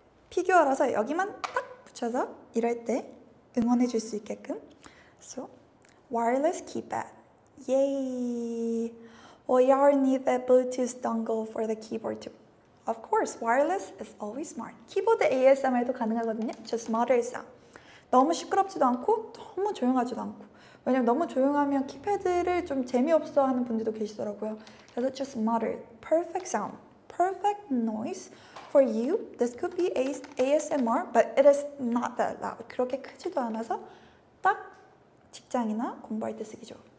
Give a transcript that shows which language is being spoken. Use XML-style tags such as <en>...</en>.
<ko>피규어라서 여기만 딱 붙여서 이럴 때 응원해 줄 수 있게끔.</ko> <en>So, wireless keypad. Yay! Well, you already need that Bluetooth dongle for the keyboard too. Of course, wireless is always smart.</en> <ko>키보드 ASMR도 가능하거든요.</ko> <en>Just moderate sound.</en> <ko>너무 시끄럽지도 않고, 너무 조용하지도 않고. 왜냐면 너무 조용하면 키패드를 좀 재미없어 하는 분들도 계시더라고요.</ko> <en>그래서 just moderate. Perfect sound. Perfect noise for you. This could be ASMR, but it is not that loud.</en> <ko>그렇게 크지도 않아서 딱 직장이나 공부할 때 쓰기 좋아.</ko>